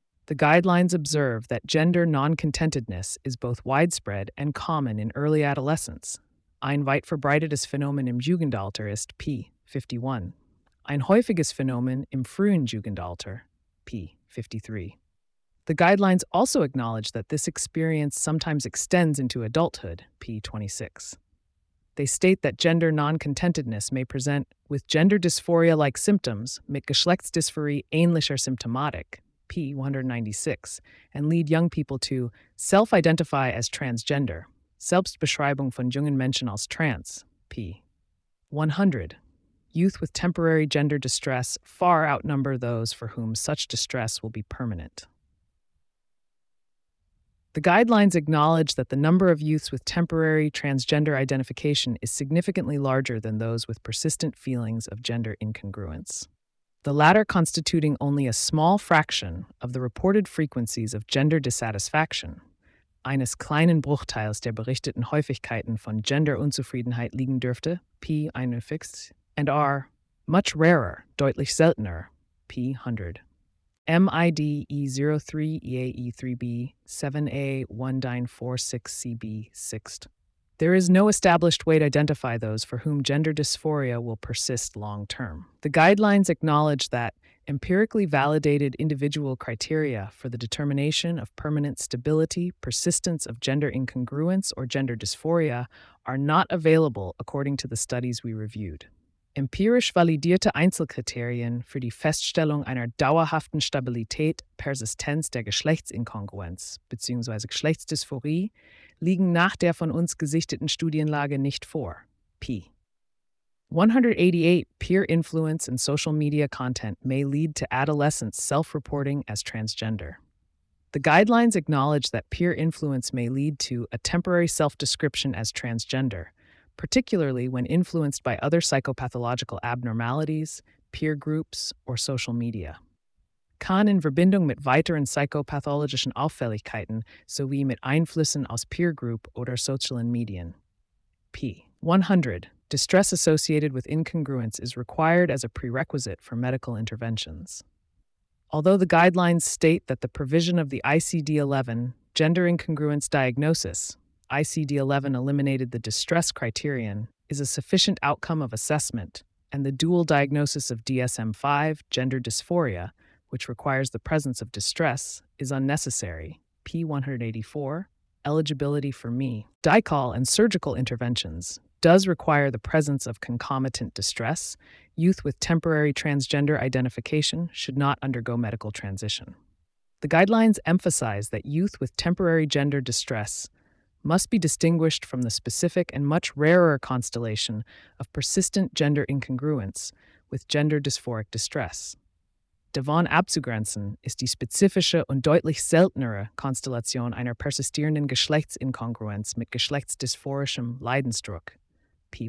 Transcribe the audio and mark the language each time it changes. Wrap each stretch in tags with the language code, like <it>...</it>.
<en>The guidelines observe that gender non-contentedness is both widespread and common in early adolescence.</en> <de>Ein weit verbreitetes Phänomen im Jugendalter ist P. 51. Ein häufiges Phänomen im frühen Jugendalter, P. 53.</de> <en>The guidelines also acknowledge that this experience sometimes extends into adulthood, P. 26. They state that gender non-contentedness may present with gender dysphoria-like symptoms,</en> <de>mit Geschlechtsdysphorie ähnlicher Symptomatik,</de> <en>P. 196, and lead young people to self-identify as transgender,</en> <de>Selbstbeschreibung von jungen Menschen als trans,</de> <en>p. 100. Youth with temporary gender distress far outnumber those for whom such distress will be permanent. The guidelines acknowledge that the number of youths with temporary transgender identification is significantly larger than those with persistent feelings of gender incongruence, the latter constituting only a small fraction of the reported frequencies of gender dissatisfaction.</en> <de>Eines kleinen Bruchteils der berichteten Häufigkeiten von Gender-Unzufriedenheit liegen dürfte, P.</de> <en>51, and are much rarer,</en> <de>deutlich seltener,</de> <en>P. 100. MID E03EAE3B7A1946CB6. There is no established way to identify those for whom gender dysphoria will persist long term. The guidelines acknowledge that empirically validated individual criteria for the determination of permanent stability, persistence of gender incongruence, or gender dysphoria are not available according to the studies we reviewed.</en> <de>Empirisch validierte Einzelkriterien für die Feststellung einer dauerhaften Stabilität, Persistenz der Geschlechtsinkongruenz bzw. Geschlechtsdysphorie liegen nach der von uns gesichteten Studienlage nicht vor.</de> <en>P. 188. Peer influence and social media content may lead to adolescents self-reporting as transgender. The guidelines acknowledge that peer influence may lead to a temporary self-description as transgender, particularly when influenced by other psychopathological abnormalities, peer groups, or social media.</en> <de>Kann in Verbindung mit weiteren psychopathologischen Auffälligkeiten sowie mit Einflüssen aus peer group oder sozialen Medien.</de> <en>P. 100. Distress associated with incongruence is required as a prerequisite for medical interventions. Although the guidelines state that the provision of the ICD-11 gender incongruence diagnosis, ICD-11 eliminated the distress criterion, is a sufficient outcome of assessment, and the dual diagnosis of DSM-5 gender dysphoria, which requires the presence of distress, is unnecessary. P. 184, eligibility for me. DICOL and surgical interventions does require the presence of concomitant distress. Youth with temporary transgender identification should not undergo medical transition. The guidelines emphasize that youth with temporary gender distress must be distinguished from the specific and much rarer constellation of persistent gender incongruence with gender dysphoric distress.</en> <de>Davon abzugrenzen ist die spezifische und deutlich seltenere Konstellation einer persistierenden Geschlechtsinkongruenz mit geschlechtsdysphorischem Leidensdruck, P.</de>